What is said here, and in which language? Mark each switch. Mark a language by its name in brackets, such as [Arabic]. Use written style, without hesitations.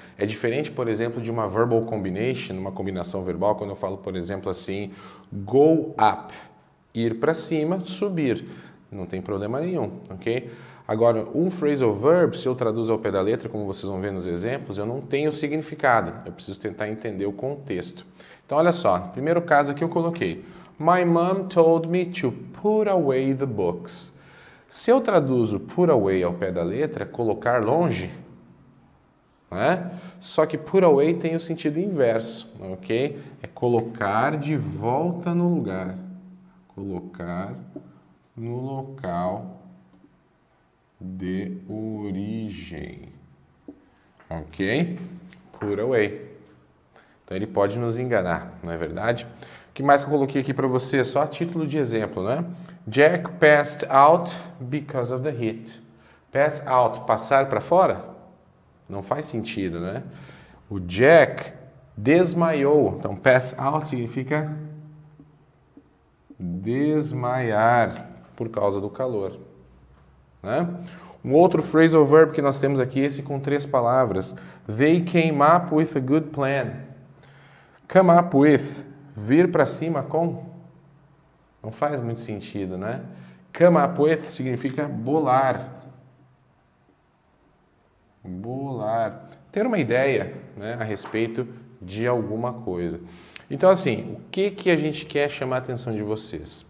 [Portuguese] É diferente, por exemplo, de uma [English] verbal combination, [Portuguese] uma combinação verbal, quando eu falo, por exemplo, assim, [English] go up, [Portuguese] ir para cima, subir. Não tem problema nenhum, ok? Agora, um phrasal verb, se eu traduzo ao pé da letra, como vocês vão ver nos exemplos, eu não tenho significado. Eu preciso tentar entender o contexto. Então, olha só, primeiro caso aqui eu coloquei. [English] My mom told me to put away the books. [Portuguese] Se eu traduzo [English] put away [Portuguese] ao pé da letra, colocar longe, né? Só que put away tem o sentido inverso, ok? É colocar de volta no lugar. Colocar no local de origem. Ok? [English] Put away. [Portuguese] Então ele pode nos enganar, não é verdade? O que mais que eu coloquei aqui para você? Só a título de exemplo, né? [English] Jack passed out because of the heat. Pass out, [Portuguese] passar para fora? Não faz sentido, né? O Jack desmaiou. Então, [English] pass out [Portuguese] significa desmaiar por causa do calor, né? Um outro phrasal verb que nós temos aqui, esse com três palavras. [English] They came up with a good plan. Come up with, [Portuguese] vir para cima com. Não faz muito sentido, né? [English] Come up with [Portuguese] significa bolar. Bolar. Ter uma ideia, né, a respeito de alguma coisa. Então, assim, o que que a gente quer chamar a atenção de vocês?